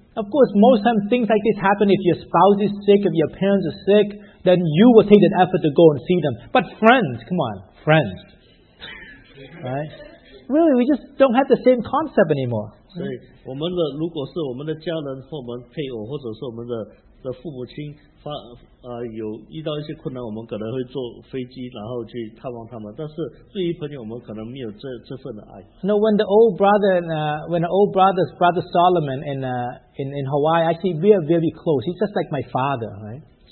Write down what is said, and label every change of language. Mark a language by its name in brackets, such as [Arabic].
[English] Of course, most times things like this happen if your spouse is sick, if your parents are sick, then you will take that effort to go and see them. But friends, come on, friends. Right? Really, we just don't have the same concept anymore. [Chinese] 所以我们的如果是我们的家人或我们配偶或者是我们的父母亲 有遇到一些困难，我们可能会坐飞机，然后去探望他们。但是对于朋友，我们可能没有这份的爱。 [English] No, when the old brother, when the old brother's brother Solomon in Hawaii, actually we are very close. He's just like my father, right?